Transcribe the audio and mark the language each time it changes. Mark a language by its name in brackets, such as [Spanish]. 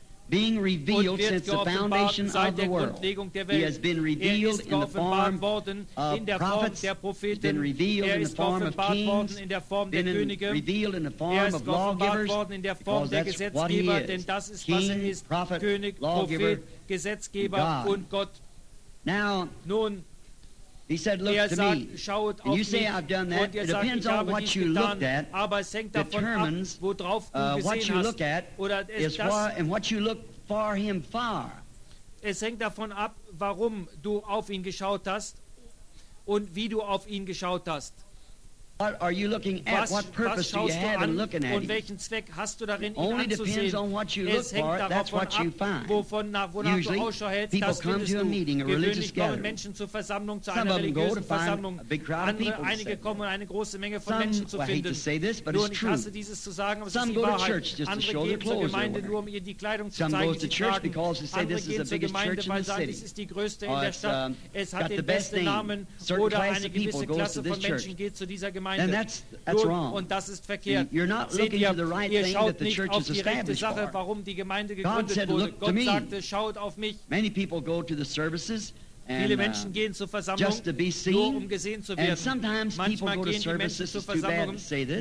[English] Being revealed since the foundation of the world. He has been revealed in the form of prophets, he's been revealed in the form of kings, been revealed in the form of lawgivers, because that's what he is, king, prophet, lawgiver, God. Now, he said, look to me. And you say, I've done that. It depends on what you looked at. Determines what you look at is far, and what you look for him far. [German] Es hängt davon ab, warum du auf ihn geschaut hast und wie du auf ihn geschaut hast. [English] What are you looking at? What purpose do you have in looking at? [German] Und welchen Zweck hast du darin, ihn [English] only depends on what you look for. That's what you find. [German] Wovon, [English] usually, people come to a meeting, a religious gathering. Some of them go to find a big crowd of people. [German] Einige kommen, eine große Menge von Menschen zu finden. [English] I hate to say this, but it's true. Some go to church just to show their clothes. Some go to church because they say this is the biggest church in the city. [German] Es ist die größte in der Stadt. Es hat den besten Namen. Oder eine gewisse Klasse von Menschen geht zu dieser Gemeinde. [English] And that's wrong. [German] Und das ist verkehrt. [English] You're not looking at the right thing that the church is established for. God said, look to me. [German] Schaut auf mich. [English] Many people go to the services and just to be seen. [German] Nur, um gesehen zu werden. [English] And sometimes [German] manchmal [English] people go to services, too bad to say this.